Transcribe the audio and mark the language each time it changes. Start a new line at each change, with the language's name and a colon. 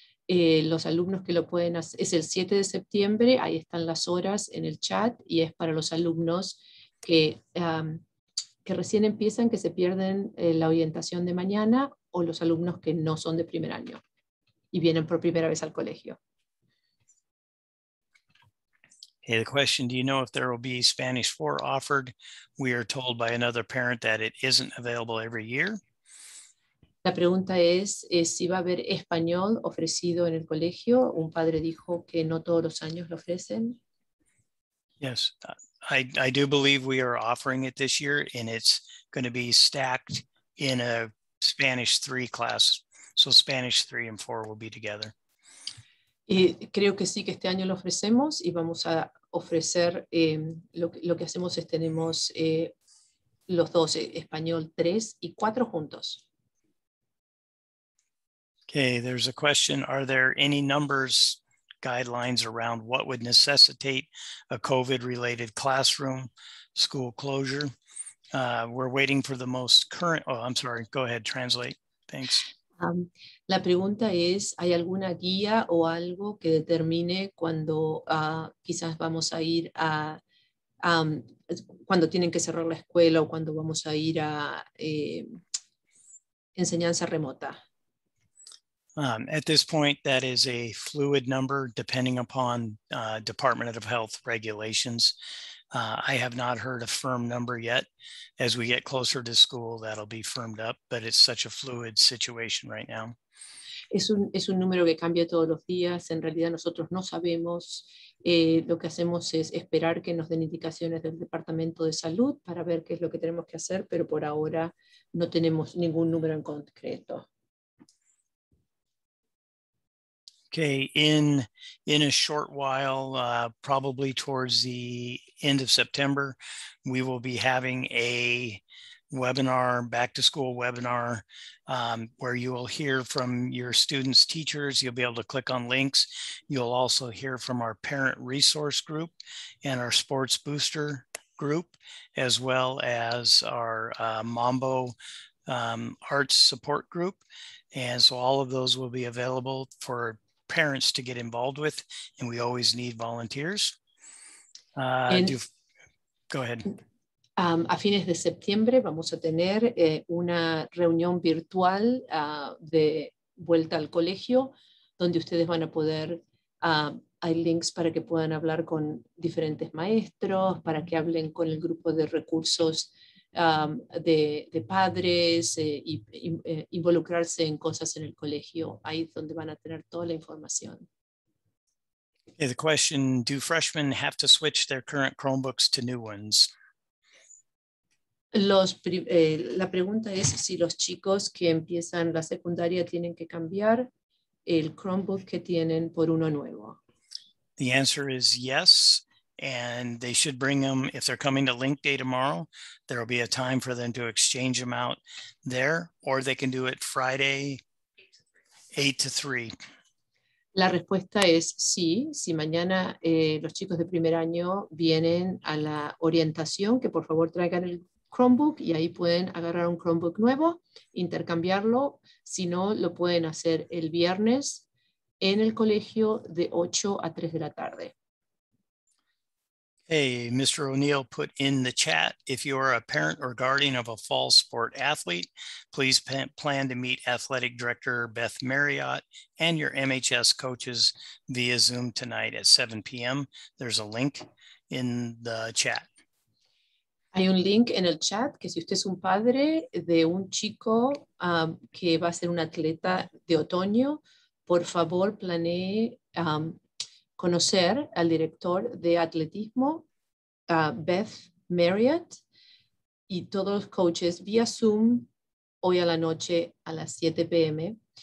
Spanish: Los alumnos que lo pueden hacer, es el 7 de septiembre, ahí están las horas en el chat, y es para los alumnos que recién empiezan, que se pierden la orientación de mañana, o los alumnos que no son de primer año y vienen por primera vez al colegio.
English: Hey, the question, do you know if there will be Spanish 4 offered? We are told by another parent that it isn't available every year.
Spanish: La pregunta es si va a haber español ofrecido en el colegio. Un padre dijo que no todos los años lo ofrecen.
English: Yes, I do believe we are offering it this year, and it's going to be stacked in a Spanish 3 class. So Spanish 3 and 4 will be together.
Spanish: Y creo que sí, que este año lo ofrecemos y vamos a ofrecer, lo que hacemos es tenemos los dos, español 3 y 4 juntos.
English: Okay, there's a question, are there any numbers, guidelines around what would necessitate a COVID-related classroom, school closure? We're waiting for the most current, oh, I'm sorry, go ahead, translate, thanks.
Spanish: La pregunta es, ¿hay alguna guía o algo que determine cuando quizás vamos a ir a, cuando tienen que cerrar la escuela o cuando vamos a ir a enseñanza remota?
English: At this point, that is a fluid number depending upon Department of Health regulations. I have not heard a firm number yet. As we get closer to school, that'll be firmed up, but it's such a fluid situation right now.
Spanish: Es un número que cambia todos los días. En realidad, nosotros no sabemos. Lo que hacemos es esperar que nos den indicaciones del Departamento de Salud para ver qué es lo que tenemos que hacer, pero por ahora no tenemos ningún número en concreto.
English: Okay, in a short while, probably towards the end of September, we will be having a webinar, back to school webinar, where you will hear from your students' teachers. You'll be able to click on links. You'll also hear from our parent resource group and our sports booster group, as well as our Mambo arts support group. And so all of those will be available for parents to get involved with, and we always need volunteers. Go ahead.
Spanish: A fines de septiembre vamos a tener una reunión virtual de vuelta al colegio, donde ustedes van a poder, hay links para que puedan hablar con diferentes maestros, para que hablen con el grupo de recursos de padres y involucrarse en cosas en el colegio. Ahí es donde van a tener toda la información.
English: Okay, the question, do freshmen have to switch their current Chromebooks to new ones?
Spanish: La pregunta es si los chicos que empiezan la secundaria tienen que cambiar el Chromebook que tienen por uno nuevo.
English: The answer is yes. and they should bring them. If they're coming to Link Day tomorrow, there'll be a time for them to exchange them out there, or they can do it Friday, 8 to 3.
Spanish: La respuesta es sí. Si mañana los chicos de primer año vienen a la orientación, que por favor traigan el Chromebook y ahí pueden agarrar un Chromebook nuevo, intercambiarlo. Si no, lo pueden hacer el viernes en el colegio de 8 a 3 de la tarde.
English: Hey, Mr. O'Neill put in the chat, if you are a parent or guardian of a fall sport athlete, please plan to meet athletic director Beth Marriott and your MHS coaches via Zoom tonight at 7 p.m. There's a link in the chat.
Spanish: Hay un link en el chat que si usted es un padre de un chico que va a ser un atleta de otoño, por favor planee conocer al director de atletismo, Beth Marriott, y todos los coaches vía Zoom hoy a la noche a las 7 p.m.